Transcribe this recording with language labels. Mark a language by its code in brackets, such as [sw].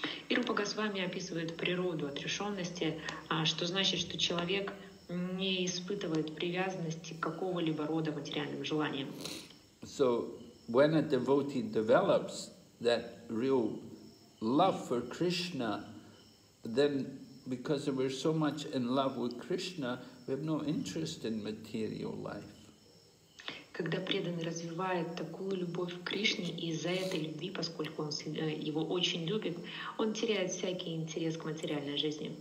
[ru] И Рупа Госвами описывает природу отрешенности, что значит, что человек не испытывает привязанности к какого-либо рода материальным желаниям. [en] So, when a devotee develops that real love for Krishna, then because we're so much in love with Krishna, we have no interest in material life. [ru] Когда преданный развивает такую любовь к Кришне, и из-за этой любви, поскольку он его очень любит, он теряет всякий интерес к материальной жизни.